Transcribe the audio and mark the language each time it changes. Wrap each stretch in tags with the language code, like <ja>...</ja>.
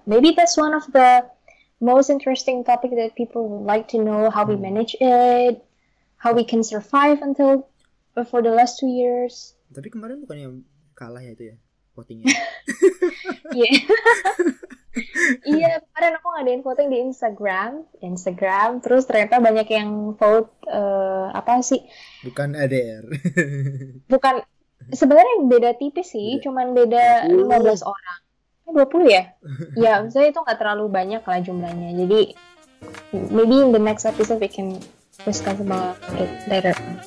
<en>Maybe that's one of the most interesting topic that people would like to know how we manage it, how we can survive until for the last 2 years.</en> <id>Tapi kemarin bukan yang kalah ya itu ya votingnya. Iya. Iya, ngadain voting di Instagram, Instagram, terus ternyata banyak yang vote apa sih? Bukan ADR. Bukan, sebenarnya beda tipis sih, Beda cuman beda 20. 15 orang. 20 ya? Ya, maksudnya itu nggak terlalu banyak lah jumlahnya.</id> <en>Jadi, maybe in the next episode we can discuss about it later.</en>